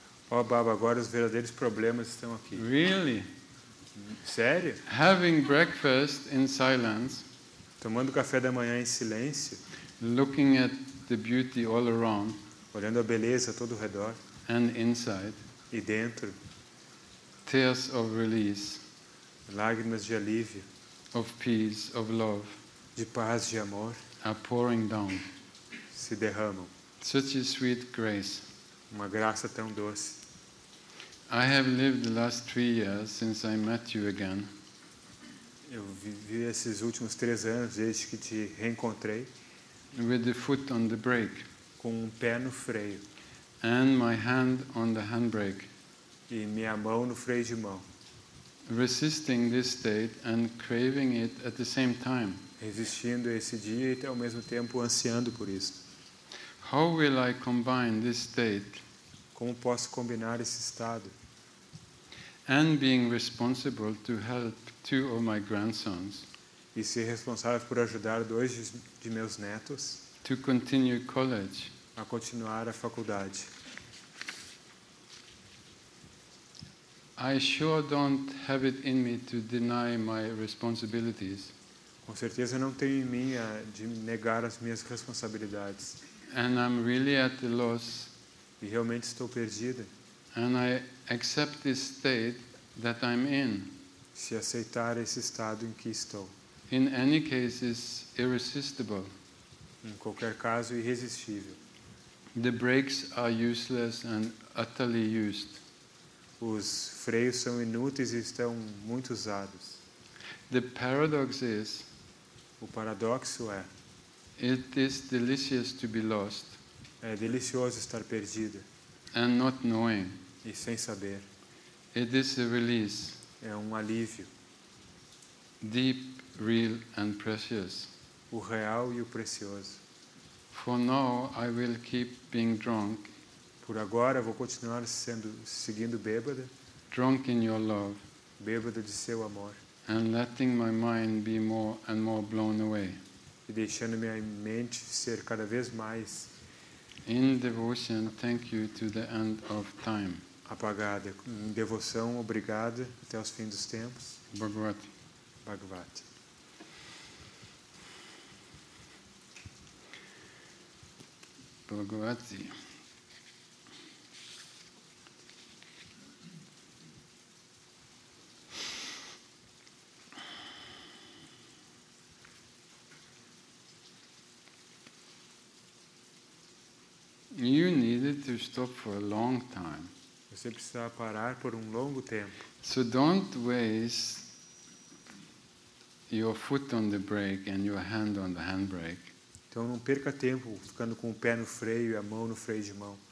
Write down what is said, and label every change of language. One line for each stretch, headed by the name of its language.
Portuguese: Baba, agora os verdadeiros problemas estão aqui.
English: Really?
Portuguese: Sério?
English: Having breakfast in silence,
Portuguese: tomando café da manhã em silêncio,
English: looking at the beauty all around,
Portuguese: olhando a beleza todo ao redor,
English: and inside,
Portuguese: e dentro,
English: tears of release,
Portuguese: lágrimas de alívio,
English: of peace, of love,
Portuguese: de paz, de amor,
English: are pouring down,
Portuguese: se derramam.
English: Such a sweet grace.
Portuguese: Uma graça tão doce.
English: I have lived the last 3 years since I met you again.
Portuguese: Eu vivi esses últimos 3 anos desde que te reencontrei.
English: With the foot on the brake.
Portuguese: Com um pé no freio.
English: And my hand on the handbrake.
Portuguese: E minha mão no freio de mão.
English: Resisting this state and craving it at the same time.
Portuguese: Resistindo esse dia e ao mesmo tempo ansiando por isso.
English: How will I combine this state?
Portuguese: Como posso combinar esse estado?
English: And being responsible to help 2 of my grandsons.
Portuguese: E ser responsável por ajudar 2 de meus netos.
English: To continue college.
Portuguese: A continuar a faculdade.
English: I sure don't have it in me to deny my responsibilities.
Portuguese: Com certeza não tenho em mim a de negar as minhas responsabilidades.
English: And I'm really at the loss.
Portuguese: E realmente estou perdida.
English: And I accept this state that I'm in.
Portuguese: Se aceitar esse estado em que estou.
English: In any case, it's irresistible.
Portuguese: Em qualquer caso, irresistível.
English: The brakes are useless and utterly used.
Portuguese: Os freios são inúteis e estão muito usados.
English: The paradox is,
Portuguese: o paradoxo é,
English: it is delicious to be lost.
Portuguese: É delicioso estar perdido.
English: And not knowing.
Portuguese: E sem saber.
English: It is a release.
Portuguese: É um alívio.
English: Deep, real and precious.
Portuguese: O real e o precioso.
English: For now I will keep being drunk.
Portuguese: Por agora vou continuar seguindo bêbada.
English: Drunk in your love.
Portuguese: Bêbada de seu amor.
English: And letting my mind be more and more blown away.
Portuguese: E deixando minha mente ser cada vez mais
English: in devotion, thank you to the end of time.
Portuguese: Apagada. Em devoção, obrigada até os fins dos tempos. Bhagavati. Bhagavati. Bhagavati.
English: You needed to stop for a long time.
Portuguese: Você precisa parar por um longo tempo.
English: So don't waste your foot on the brake and your hand on the handbrake.
Portuguese: Então não perca tempo ficando com o pé no freio e a mão no freio de mão.